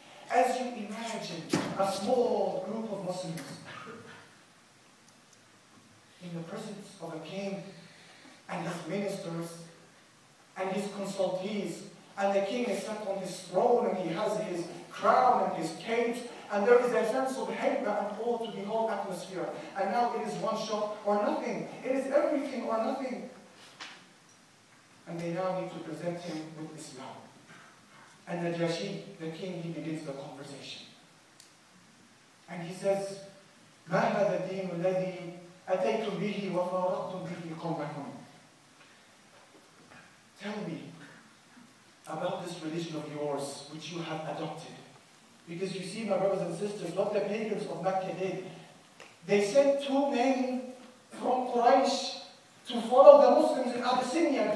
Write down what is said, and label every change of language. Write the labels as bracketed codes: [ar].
[en] As you imagine a small group of Muslims in the presence of a king and his ministers and his consultees, and the king is sat on his throne and he has his crown and his cape, and there is a sense of hebba and awe to the whole atmosphere. And now it is one shot or nothing. It is everything or nothing. And they now need to present him with Islam. And Najashi, the king, he begins the conversation. [ar] And he says, مَا هَذَا دِينُ الَّذِي أَتَيْتُمْ بِهِ وَفَارَقْتُمْ بِهِ قَوْمَكُمْ. [en] Tell me about this religion of yours which you have adopted. Because you see, my brothers and sisters, what the pagans of Mecca did, they sent two men from Quraysh to follow the Muslims in Abyssinia.